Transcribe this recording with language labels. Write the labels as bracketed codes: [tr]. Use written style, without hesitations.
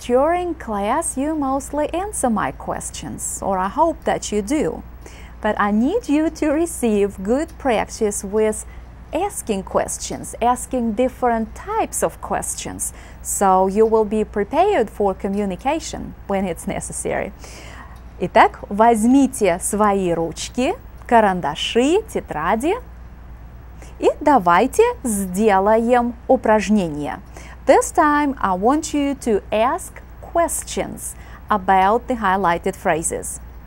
[en] During class, you mostly answer my questions, or I hope that you do. But I need you to receive good practice with asking questions, asking different types of questions, so you will be prepared for communication when it's necessary. [ru] Итак, возьмите свои ручки, карандаши, тетради. И давайте сделаем упражнение. [en] This time I want you to ask questions about the highlighted phrases.